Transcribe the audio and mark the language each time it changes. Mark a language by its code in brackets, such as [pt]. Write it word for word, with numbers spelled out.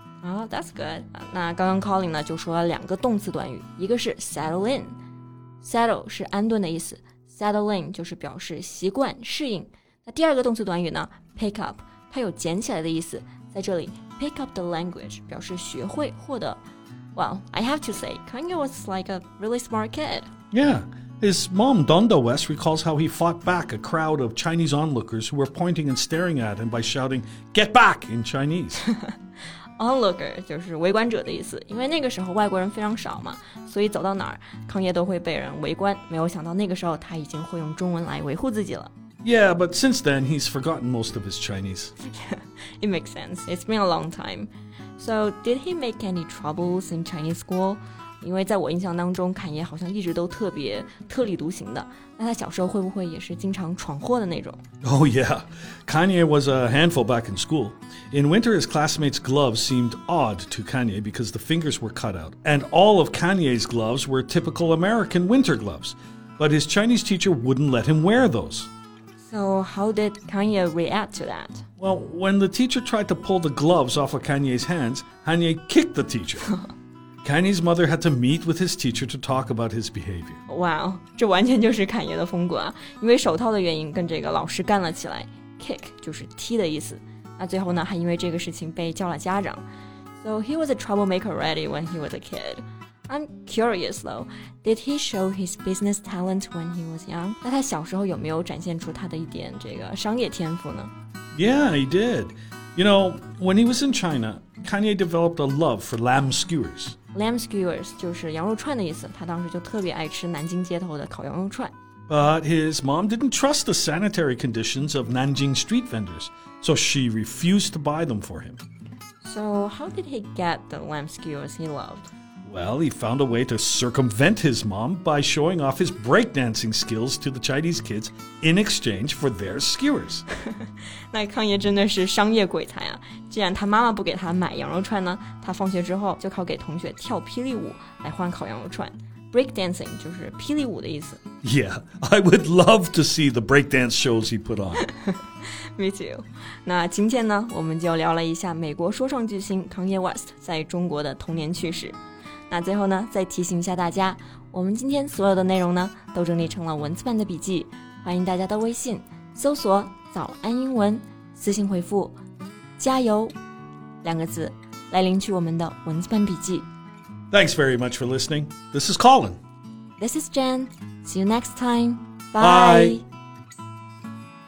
[en] Oh, that's good. [zh] 那刚刚 Colin 呢就说了两个动词短语，一个是 settle in. Settle 是安顿的意思 ，settle in 就是表示习惯、适应。那第二个动词短语呢 ，pick up， 它有捡起来的意思，在这里 [en] pick up the language [zh] 表示学会、获得。 [en] Well, I have to say, Kanye was like a really smart kid. Yeah, his mom, Donda West, recalls how he fought back a crowd of Chinese onlookers who were pointing and staring at him by shouting, "Get back!" in Chinese. [zh] Onlooker 就是围观者的意思，因为那个时候外国人非常少嘛，所以走到哪儿，康业都会被人围观。没有想到那个时候他已经会用中文来维护自己了。 [en] Yeah, but since then he's forgotten most of his Chinese. It makes sense. It's been a long time. So, did he make any troubles in Chinese school? [zh] 因为在我印象当中，坎爷好像一直都特别特立独行的。那他小时候会不会也是经常闯祸的那种？ [en] Oh yeah, Kanye was a handful back in school. In winter, his classmates' gloves seemed odd to Kanye because the fingers were cut out. And all of Kanye's gloves were typical American winter gloves. But his Chinese teacher wouldn't let him wear those. So how did Kanye react to that? Well, when the teacher tried to pull the gloves off of Kanye's hands, Kanye kicked the teacher. Kanye's mother had to meet with his teacher to talk about his behavior. [zh] Wow, 这完全就是坎爷的风格啊！因为手套的原因，跟这个老师干了起来。 Kick 就是踢的意思。那最后呢，还因为这个事情被叫了家长。 [en] So he was a troublemaker already when he was a kid. I'm curious though, did he show his business talent when he was young? [zh] 那他小时候有没有展现出他的一点这个商业天赋呢？ [en] Yeah, he did. You know, when he was in China, Kanye developed a love for lamb skewers. [zh] Lamb skewers 就是羊肉串的意思，他当时就特别爱吃南京街头的烤羊肉串。 [en] But his mom didn't trust the sanitary conditions of Nanjing street vendors, so she refused to buy them for him. So how did he get the lamb skewers he loved? Well, he found a way to circumvent his mom by showing off his breakdancing skills to the Chinese kids in exchange for their skewers. [zh] 那康爷真的是商业鬼才啊！既然他妈妈不给他买羊肉串呢，他放学之后就靠给同学跳霹雳舞来换烤羊肉串。 Breakdancing 就是霹雳舞的意思。 [en] Yeah, I would love to see the breakdance shows he put on. Me too. [zh] 那今天呢，我们就聊了一下美国说唱巨星 Kanye West 在中国的童年趣事。那最后呢，再提醒一下大家，我们今天所有的内容呢，都整理成了文字版的笔记，欢迎大家到微信搜索“早安英文”，私信回复“加油”两个字来领取我们的文字版笔记。 [en] Thanks very much for listening. This is Colin. This is Jen. See you next time. Bye. Bye.